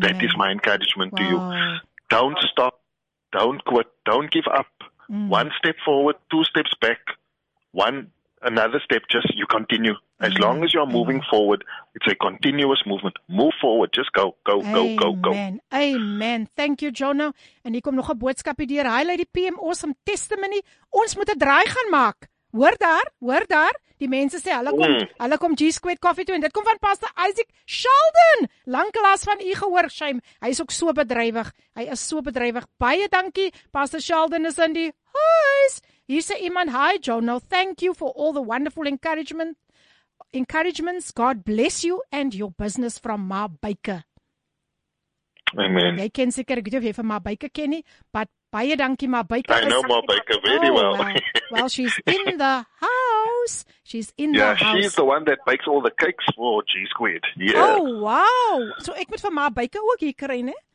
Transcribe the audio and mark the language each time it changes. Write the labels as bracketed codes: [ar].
[en] That is my encouragement to you. Don't stop. Don't quit. Don't give up. Mm. One step forward, two steps back, another step, just you continue. As long as you're moving forward, it's a continuous movement. Move forward. Just go. Amen. Thank you, Jono. [af] En hier kom nog 'n boodskapie deur. [en] Hi, Lady PM, awesome testimony. [af] Ons moet 'n draai gaan maak. Hoor daar. Die mense sê hulle kom G-Squared Coffee toe en dit kom van Pastor Isaac Sheldon. Lankalas van u gehoor, shame. Hy is ook so bedrywig. Hy is so bedrywig. Baie dankie. Pastor Sheldon is in die huis. Hier sê iemand, hi, Jono. [en] Thank you for all the wonderful encouragement. Encouragements, God bless you and your business from Ma Baker. Amen. [af] Jy ken seker, ek weet of jy van Ma Baker ken nie, but baie dankie Ma Baker. [en] I know Ma Baker very well. Well, she's in the house. knows. She's in the house. Yeah, she's the one that bakes all the cakes for G Squared. Yeah. Oh, wow. [af] So ek moet vir my baker ook hier kry, né?